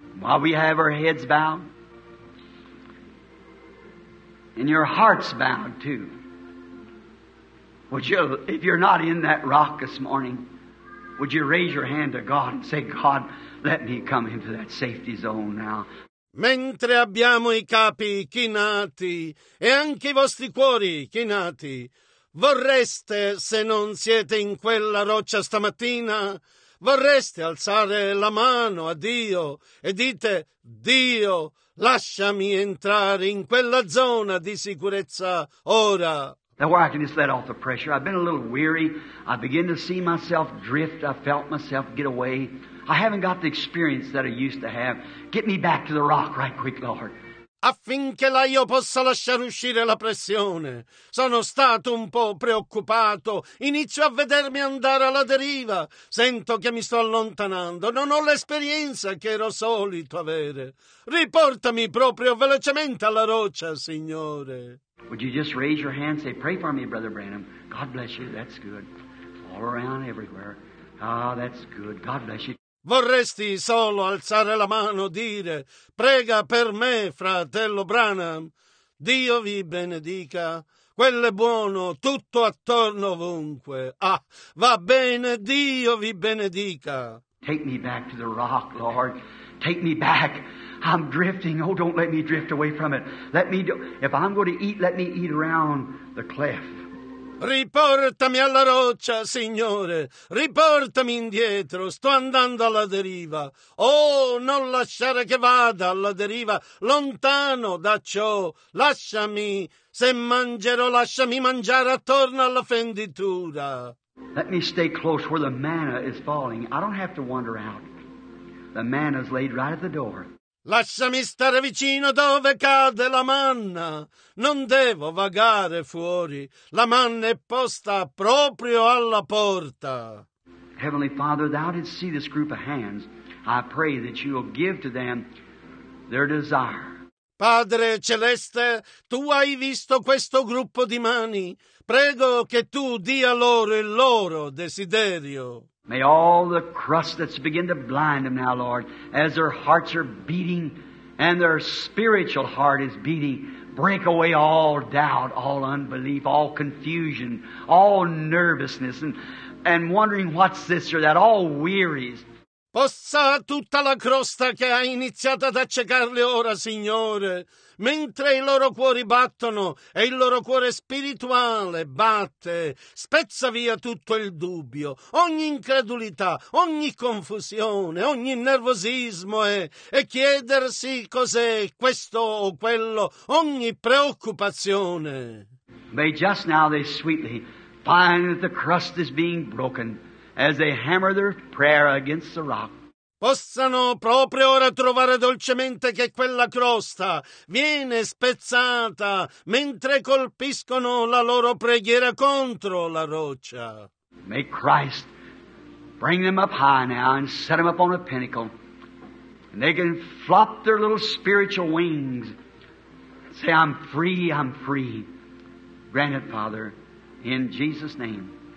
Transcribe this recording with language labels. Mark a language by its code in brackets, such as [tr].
[en] While we have our heads bowed, and your hearts bowed too, would you, if you're not in that rock this morning, would you raise your hand to God and say, God, let me come into that safety zone now. [it] Mentre abbiamo i capi chinati e anche i vostri cuori chinati, vorreste, se non siete in quella roccia stamattina, vorreste alzare la mano a Dio e dite, Dio, lasciami entrare in quella zona di sicurezza ora. [en] Now, where I can just let off the pressure. I've been a little weary. I begin to see myself drift. I felt myself get away. I haven't got the experience that I used to have. Get me back to the rock right quick, Lord. [it] Affinché la io possa lasciare uscire la pressione. Sono stato un po' preoccupato. Inizio a vedermi andare alla deriva. Sento che mi sto allontanando. Non ho l'esperienza che ero solito avere. Riportami proprio velocemente alla roccia, Signore. [en] Would you just raise your hand and say, pray for me, Brother Branham. God bless you. That's good. All around, everywhere. Ah, that's good. God bless you. [it] Vorresti solo alzare la mano, dire, prega per me, fratello Branham. Dio vi benedica. Quello è buono, tutto attorno ovunque. Ah, va bene, Dio vi benedica. [en] Take me back to the rock, Lord. Take me back. I'm drifting. Oh, don't let me drift away from it. If I'm going to eat, let me eat around the cleft. [it] Riportami alla roccia, Signore, riportami indietro, sto andando alla deriva. Oh, non lasciare che vada alla deriva, lontano da ciò, lasciami, se mangerò, lasciami mangiare attorno alla fenditura. [en] Let me stay close where the manna is falling. I don't have to wander out. The manna is laid right at the door. [it] Lasciami stare vicino dove cade la manna. Non devo vagare fuori. La manna è posta proprio alla porta. [en] Heavenly Father, thou didst see this group of hands. I pray that you will give to them their desire. [it] Padre celeste, tu hai visto questo gruppo di mani. Prego che tu dia loro il loro desiderio. [en] May all the crust that's begin to blind them now, Lord, as their hearts are beating and their spiritual heart is beating, break away all doubt, all unbelief, all confusion, all nervousness and wondering what's this or that, all wearies. [it] Possa tutta la crosta che ha iniziato ad accecarli ora, Signore, mentre i loro cuori battono e il loro cuore spirituale batte, spezza via tutto il dubbio, ogni incredulità, ogni confusione, ogni nervosismo e chiedersi cos'è questo o quello, ogni preoccupazione. [en] May just now they sweetly find that the crust is being broken. As they hammer their prayer against the rock. [it] Possano proprio ora trovare dolcemente che quella crosta viene spezzata mentre colpiscono la loro preghiera contro la roccia. [en] May Christ bring them up high now and set them up on a pinnacle. And they can flop their little spiritual wings. Say, I'm free, I'm free. Grant it, Father, in Jesus' name.